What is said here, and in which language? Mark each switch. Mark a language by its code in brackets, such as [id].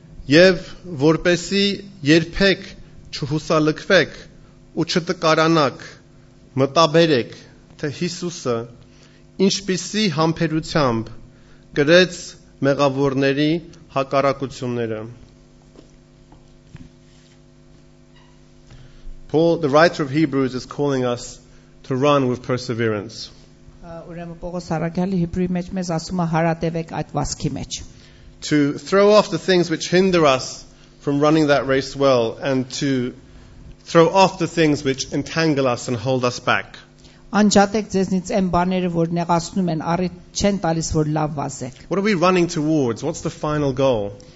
[hy] Եվ որպեսի երբեք չհուսալքվեք ու չտկարանաք, մտաբերեք, թե Հիսուսը ինչպիսի համբերությամբ գրեց մեղավորների հակառակությունները. [en] Paul, the writer of Hebrews, is calling us to run with perseverance. [hy] Ուրեմն Պողոս առաքյալը Հիբրեի մեջ մեզ ասում է հարատևեք այդ վազքի մեջ. [en] To throw off the things which hinder us from running that race well and to Throw off the things which entangle us and hold us back. What are we running towards? What's the final goal?